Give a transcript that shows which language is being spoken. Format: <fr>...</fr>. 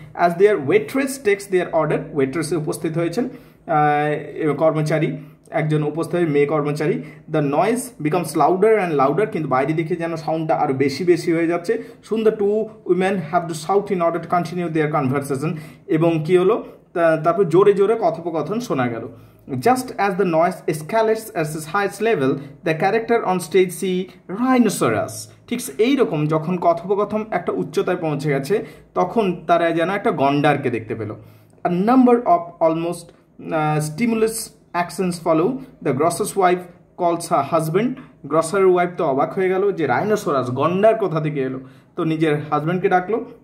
<en>as their waitress takes their order,</en> <bn>waitress উপস্থিত হয়েছেন, কর্মচারী একজন উপস্থিত হয়ে, মেয়ে কর্মচারী,</bn> <en>the noise becomes louder and louder,</en> <bn>কিন্তু বাইরে দেখে যেন সাউন্ডটা আরও বেশি বেশি হয়ে যাচ্ছে।</bn> <en>soon the two women have to shout in order to continue their conversation,</en> <bn>এবং কী হলো, তারপর জোরে জোরে কথোপকথন শোনা গেল।</bn> <en>Just as the noise escalates at its highest level, the character on stage see rhinoceros.</en> <bn>ঠিক এই রকম যখন কথোপকথন একটা উচ্চতায় পৌঁছে গেছে তখন তারা যেন একটা গন্ডারকে দেখতে পেল.</bn> <en>A number of almost stimulus accents follow. The grocer's wife calls her husband.</en> <bn>Grocer wife তো অবাক হয়ে গেল যে rhinoceros গন্ডার কোথা থেকে এলো, তো নিজের হাজবেন্ডকে ডাকলো.</bn>